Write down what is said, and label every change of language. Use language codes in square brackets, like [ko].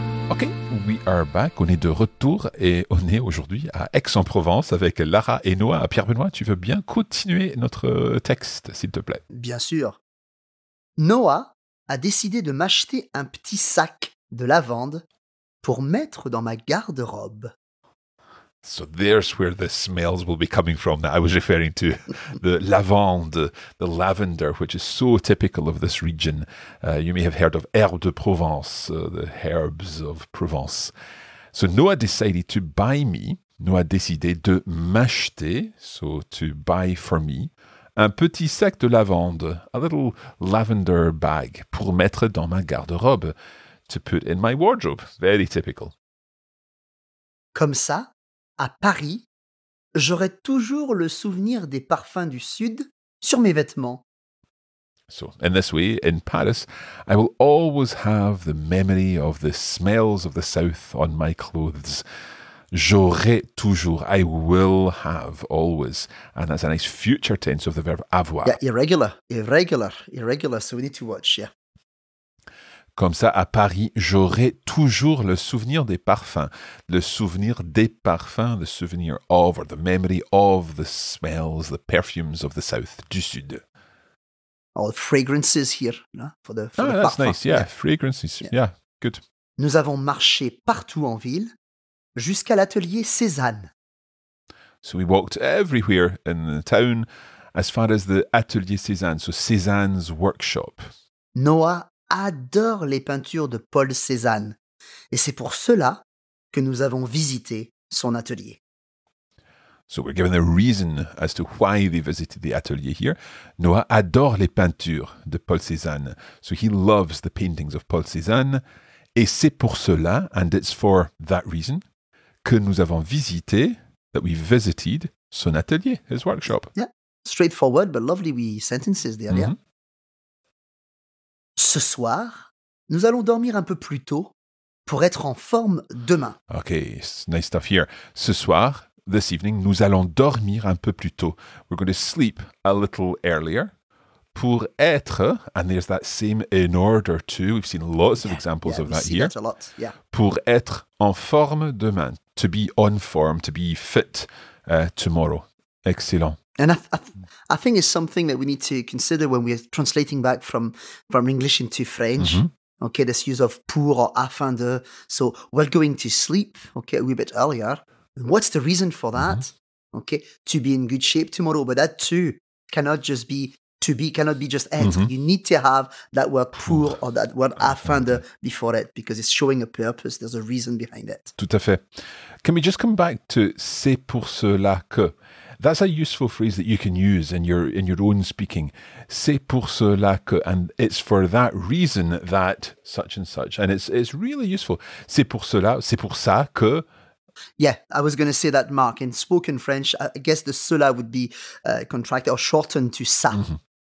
[en] Okay, we are back, [fr] on est de retour et on est aujourd'hui à Aix-en-Provence avec Lara et Noah. Pierre-Benoît, tu veux bien continuer notre texte, s'il te plaît? Bien sûr. Noah a décidé de m'acheter un petit sac de lavande pour mettre dans ma garde-robe. [en] So there's where the smells will be coming from that I was referring to. The lavande, the lavender, which is so typical of this region. You may have heard of herbes de Provence, the herbs of Provence. So Noah decided to [fr] m'acheter, [en] so to buy for me, [fr] un petit sac de lavande, [en] a little lavender bag, [fr] pour mettre dans ma garde-robe, [en] to put in my wardrobe. Very typical. [fr] Comme ça, à Paris, j'aurai toujours le souvenir des parfums du Sud sur mes vêtements. [en] So, in this way, in Paris, I will always have the memory of the smells of the South on my clothes. [fr] J'aurai toujours, [en] I will have, always. And that's a nice future tense of the verb avoir. Yeah, irregular, so we need to watch, yeah. [fr] Comme ça, à Paris, j'aurai toujours le souvenir des parfums. Le souvenir des parfums, [en] the souvenir of, or the memory of the smells, the perfumes of the South, [fr] du Sud. [en] All fragrances here, no? for the that's [fr] parfum. [en] Nice, yeah, fragrances, yeah, good. [fr] Nous avons marché partout en ville, jusqu'à l'atelier Cézanne. [en] So we walked everywhere in the town, as far as the atelier Cézanne, so Cézanne's workshop. [fr] Noah adore les peintures de Paul Cézanne, et c'est pour cela que nous avons visité son atelier. [en] So we're given a reason as to why they visited the atelier here. [fr] Noah adore les peintures de Paul Cézanne, [en] so he loves the paintings of Paul Cézanne, [fr] et c'est pour cela, [en] and it's for that reason, [fr] que nous avons visité, [en] that we visited [fr] son atelier, [en] his workshop. Yeah, straightforward, but lovely wee sentences there, mm-hmm. Yeah. [fr] Ce soir, nous allons dormir un peu plus tôt pour être en forme demain. [en] Ok, nice stuff here. [fr] Ce soir, [en] this evening, [fr] nous allons dormir un peu plus tôt. [en] We're going to sleep a little earlier. Pour être, and there's that same in order too. We've seen lots of examples of that here. That a lot. Yeah. [fr] Pour être en forme demain. [en] To be on form, to be fit tomorrow. Excellent. And I think it's something that we need to consider when we're translating back from English into French. Mm-hmm. Okay, this use of pour or afin de. So we're going to sleep, okay, a wee bit earlier. What's the reason for that? Mm-hmm. Okay, to be in good shape tomorrow. But that too cannot just be to be, cannot be just être. Mm-hmm. You need to have that word pour or that word afin de before it because it's showing a purpose. There's a reason behind it. [fr] Tout à fait. [en] Can we just come back to [fr] c'est pour cela que? [en] That's a useful phrase that you can use in your own speaking. [fr] C'est pour cela que, [en] and it's for that reason that such and such. And it's really useful. [fr] C'est pour cela, c'est pour ça que. [en] Yeah, I was going to say that, Mark. In spoken French, I guess the cela would be contracted or shortened to ça, mm-hmm.